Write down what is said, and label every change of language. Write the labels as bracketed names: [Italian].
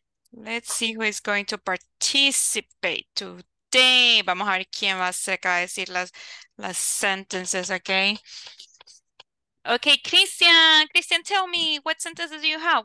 [English] Let's see who is going to participate today. [Spanish] Vamos a ver quién va a decir las sentences, okay? [English] Okay, Christian, tell me, what sentences do you have?